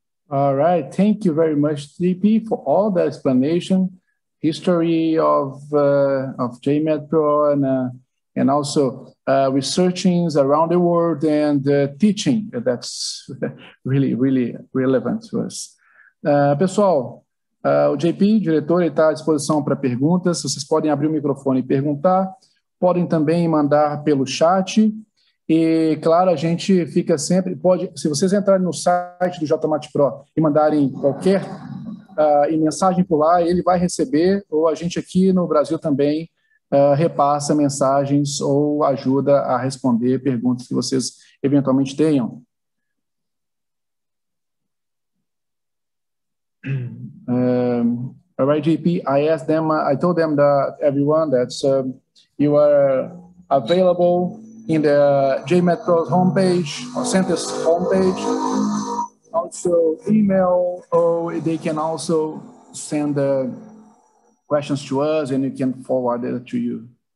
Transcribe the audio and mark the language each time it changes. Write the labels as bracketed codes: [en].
[en] All right, thank you very much, DP, for all the explanation, history of JMAP Pro, and also researchings around the world and teaching. That's really, really relevant to us. [pt] Pessoal, o JP, diretor, está à disposição para perguntas. Vocês podem abrir o microfone e perguntar. Podem também mandar pelo chat. E, claro, a gente fica sempre... se vocês entrarem no site do JMAT Pro e mandarem qualquer mensagem por lá, ele vai receber, ou a gente aqui no Brasil também repassa mensagens ou ajuda a responder perguntas que vocês eventualmente tenham. [en] All right, JP, I asked them, I told them that everyone that you are available in the JMAP Pro homepage or Center's homepage, also email, or they can also send the questions to us and you can forward it to you.